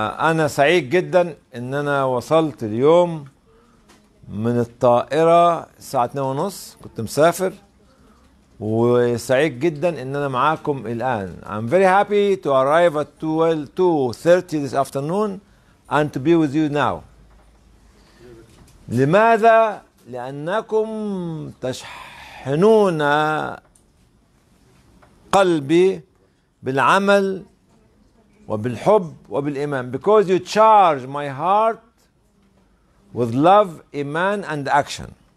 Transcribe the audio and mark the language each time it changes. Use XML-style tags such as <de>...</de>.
<ar>أنا سعيد جدا إن أنا وصلت اليوم من الطائرة الساعة 2:30، كنت مسافر، وسعيد جدا إن أنا معاكم الآن.</ar> <en>I'm very happy to arrive at 2:30 this afternoon and to be with you now.</en> <ar>لماذا؟ لأنكم تشحنون قلبي بالعمل وبالحب وبالإيمان.</ar> <en>Because you charge my heart with love, iman and action.</en>